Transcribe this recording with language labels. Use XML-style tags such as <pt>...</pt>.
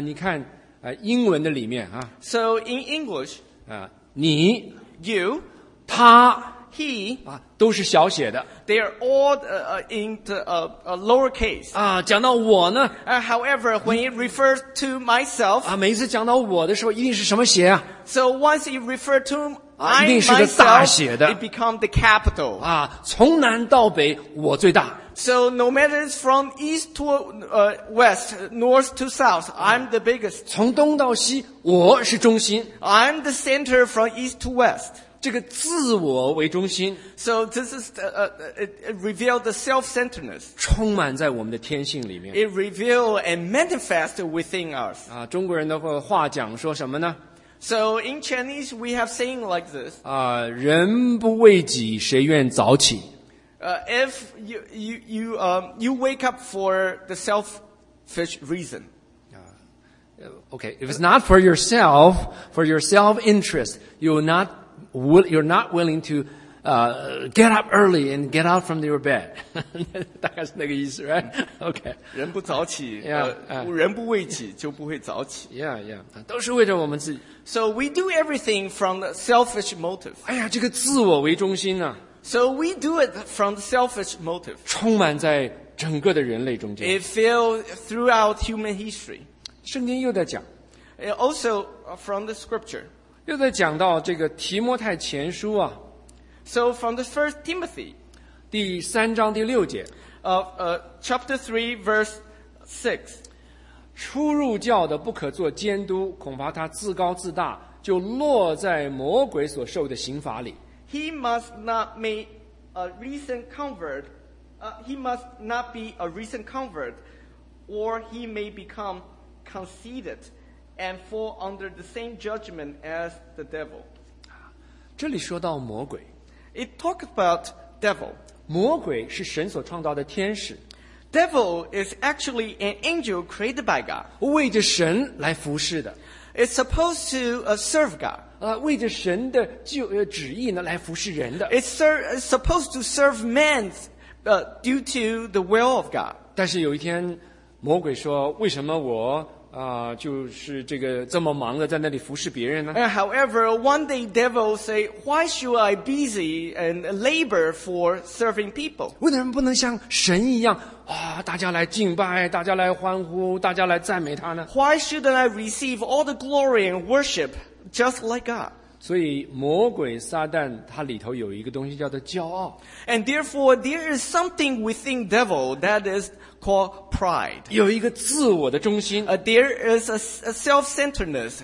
<zh>你看英文的里面啊。</zh> <en>So in English,</en> <zh>你</zh> <en>you,</en> <zh>他</zh> <en>he,</en> <zh>都是小写的。</zh> <en>They are all in the lowercase.</en> <zh>讲到我呢。</zh> <en>However, when it refers to myself,</en> <zh>每一次讲到我的时候一定是什么写啊。</zh> <en>So once it refers to myself,</en> <zh>一定是个大写的。</zh> <en>It becomes the capital.</en> <zh>从南到北我最大。</zh> <en>So no matter it's from east to west, north to south, I'm the biggest.</en> <zh>从东到西，我是中心。</zh> <en>I'm the center from east to west.</en> <zh>这个自我为中心。</zh> <en>So this is it reveals the self-centeredness.</en> <zh>充满在我们的天性里面。</zh> <en>It reveals and manifests within us.</en> <zh>中国人的话讲说什么呢？</zh> <en>So in Chinese, we have saying like this.</en> <zh>人不为己，谁愿早起？</zh> <en>If you wake up for the selfish reason. Okay, if it's not for yourself, for your self-interest, you're not willing to get up early and get out from your bed.</en> <zh>大概是那个意思, right?</zh> <en>Okay.</en> <zh>人不早起, yeah, 人不为己就不会早起。 Yeah, yeah. 都是为着我们自己。</zh> <en>So we do everything from the selfish motive.</en> <zh>这个自我为中心啊。</zh> <en>So we do it from selfish motive.</en> <zh>充满在整个的人类中间。</zh> <en>It fills throughout human history.</en> <zh>圣经又在讲。</zh> <en>It also from the scripture.</en> <zh>又在讲到这个提摩太前书啊。</zh> <en>So from the first Timothy.</en> <zh>第三章第六节。</zh> <en>Chapter 3 verse 6.</en> <zh>初入教的不可做监督，恐怕他自高自大，就落在魔鬼所受的刑罚里。</zh> <en>He must not be a recent convert. He must not be a recent convert, or he may become conceited and fall under the same judgment as the devil.</en> <zh>这里说到魔鬼。</zh> <en>It talks about devil.</en> <zh>魔鬼是神所创造的天使。</zh> <en>Devil is actually an angel created by God.</en> <zh>为着神来服侍的。</zh> <en>It's supposed to serve God.</en> <zh>为着神的旨意呢来服侍人的。</zh> <en>It's supposed to serve man due to the will of God.</en> <zh>但是有一天魔鬼说为什么我就是这个这么忙的在那里服侍别人呢。</zh> <en>And however, one day devil say, why should I busy and labor for serving people?</en> <zh>为什么不能像神一样大家来敬拜，大家来欢呼，大家来赞美他呢。</zh> <en>Why shouldn't I receive all the glory and worship just like God?</en> <zh>所以魔鬼撒旦他里头有一个东西叫做骄傲。</zh> <en>And therefore, there is something within devil that is called pride.</en> <zh>有一个自我的中心。</zh> <en>There is a self-centeredness.</en>